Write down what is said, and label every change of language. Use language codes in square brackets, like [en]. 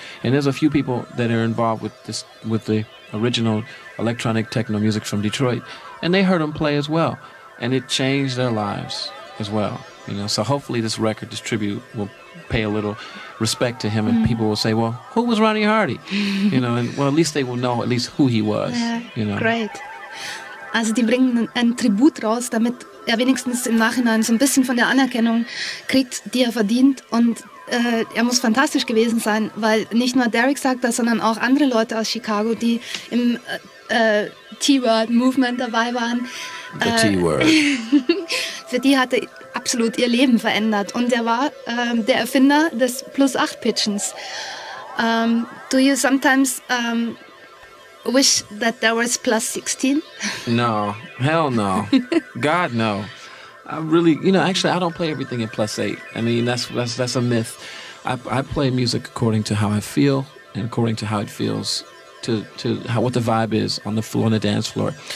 [en] And there's a few people that are involved with this, with the original electronic techno music from Detroit, and they heard him play as well, and it changed their lives as well. You know, so hopefully this record, this tribute, will pay a little respect to him, and people will say, well, who was Ronnie Hardy? You know, and well, at least they will know at least who he was. You know, great. [de] Also, die bringen ein Tribut raus, damit wenigstens im Nachhinein so ein bisschen von der Anerkennung kriegt, die verdient. Und muss fantastisch gewesen sein, weil nicht nur Derek sagt das, sondern auch andere Leute aus Chicago, die im T-Word-Movement dabei waren. [en] The T-Word. [de] Für die hat er absolut ihr Leben verändert. Und er war der Erfinder des Plus-8-Pitchens. [en] Do you sometimes wish that there was plus 16? No. Hell no. God no. I really, you know, actually, I don't play everything in plus 8. I mean, that's a myth. I play music according to how I feel and according to how it feels, to how, what the vibe is on the floor, on the dance floor.